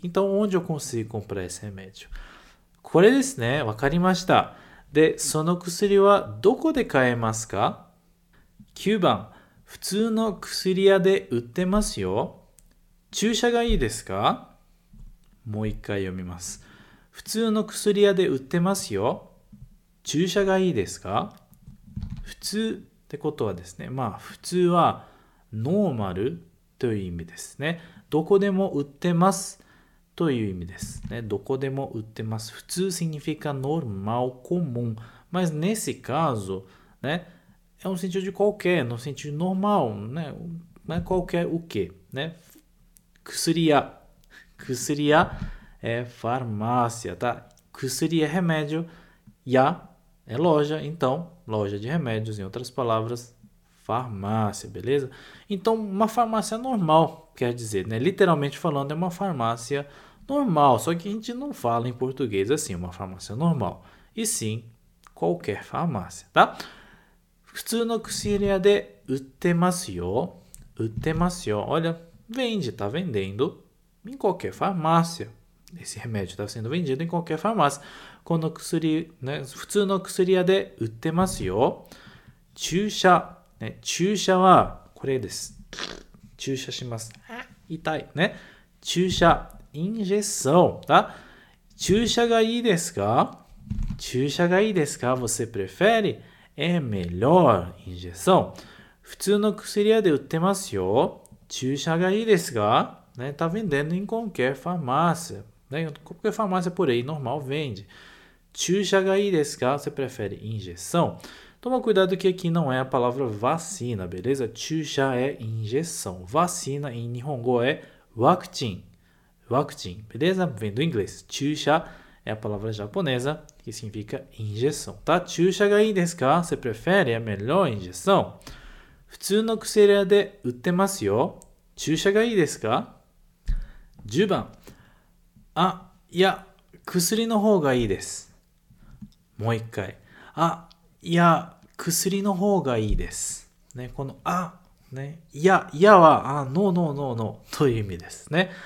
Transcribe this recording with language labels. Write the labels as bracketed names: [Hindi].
[Portuguese] Então, onde eu consigo comprar esse remédio? [Japanese] これですね。わかりました。で、その薬はどこで買えますか ?9 番、普通の薬屋で売ってますよ。注射がいいですかもう一回読みます。普通の薬屋で売ってますよ、注射がいいですか。普通ってことはですね、まあ普通はノーマルという意味ですね。どこでも売ってますという意味ですね。どこでも売ってます。 [Portuguese] 普通 significa normal, comum, mas nesse caso, né, é um sentido de qualquer, no sentido normal, né, não é qualquer o quê, né? 薬屋é farmácia, tá? 薬é remédio, 屋 é loja, então loja de remédios, em outras palavras, farmácia, beleza? Então, uma farmácia normal, quer dizer, né? Literalmente falando, é uma farmácia normal, só que a gente não fala em português assim, uma farmácia normal, e sim, qualquer farmácia, tá? [Japanese] 普通の薬屋で売ってますよ。売ってますよ。 [Portuguese] Olha, vende, tá vendendo em qualquer farmácia. Esse remédio tá sendo vendido em qualquer farmácia. [Japanese] この薬、ね、普通の薬屋で売ってますよ。注射、ね、注射はこれです。注射します。痛い、ね。注射、インジェクション、tá? 注射がいいですか？注射がいいですか？ [Portuguese] Você prefere? É melhor injeção. [Japanese] 普通の薬屋で売ってますよ。注射がいいですが、né? [Portuguese] Tá vendendo em qualquer farmácia. Né? Qualquer farmácia por aí, normal, vende. [Japanese] 注射がいいですが、 [Portuguese] você prefere injeção? Toma cuidado que aqui não é a palavra vacina, beleza? 注射é injeção. Vacina em Nihongo é vacin. Vacin, beleza? Vem do inglês. 注射é a palavra japonesa. Que significa injeção, tá? [Japanese] 注射がいいですか? [Portuguese] Você prefere? É melhor injeção? [Japanese] 普通の薬屋で売ってますよ。注射がいいですか?10番。あ、いや、薬の方がいいです。もう一回。あ、いや、薬の方がいいです。ね、このあ、ね、いや、いやは、あ、ノーノーノーノーという意味ですね。